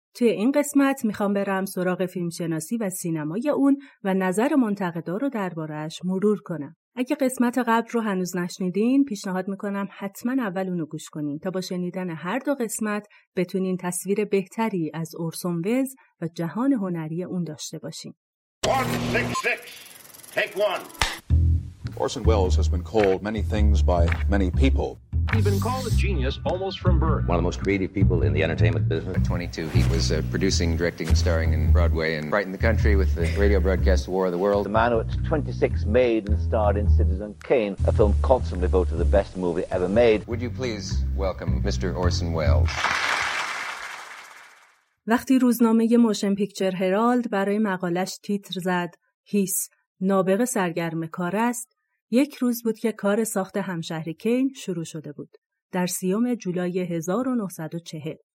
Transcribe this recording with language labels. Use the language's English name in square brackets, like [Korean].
[Persian] توی این قسمت میخوام برم سراغ فیلمشناسی و سینمای اون و نظر منتقدان رو درباره‌اش مرور کنم. اگه قسمت قبل رو هنوز نشنیدین، پیشنهاد میکنم حتما اول اونو گوش کنین تا با شنیدن هر دو قسمت بتونین تصویر بهتری از اورسون ولز و جهان هنری اون داشته باشین. [English] 166 take 1. Orson Welles has been called many things by many people. He's been called a genius almost from birth. One of the most creative people in the entertainment business. At 22, he was producing, directing, starring in Broadway and brightened the country with the radio broadcast War of the World. The man who at 26 made and starred in Citizen Kane, a film constantly voted the best movie ever made. Would you please welcome Mr. Orson Welles. [Persian] وقتی روزنامه موشن پیکچر هرالد برای مقالش تیتر زد هیس نابغه سرگرم کار است، یک روز بود که کار ساخت همشهری کین شروع شده بود، در 30 جولای 1940.